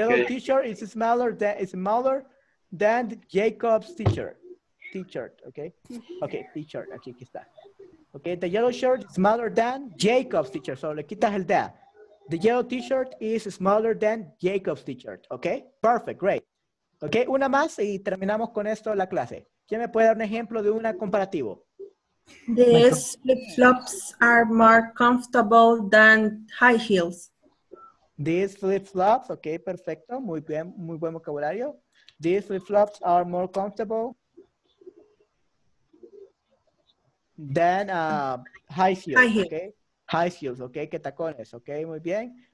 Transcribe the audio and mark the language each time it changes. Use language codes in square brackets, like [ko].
[en] Yellow t-shirt is smaller than Jacob's t-shirt. T-shirt, okay? Okay, t-shirt, [es] aquí está. [en] Okay, the yellow shirt is smaller than Jacob's t-shirt. So, [es] le quitas el de. [en] The yellow t-shirt is smaller than Jacob's t-shirt. Okay, perfect, great. [es] Okay, una más y terminamos con esto la clase. ¿Quién me puede dar un ejemplo de un comparativo? [en] These flip-flops are more comfortable than high heels. These flip-flops, [es] okay, perfecto. Muy bien, muy buen vocabulario. [en] These flip-flops are more comfortable than high heels, high heel. Okay? [es] High heels, okay, que tacones, okay, muy bien.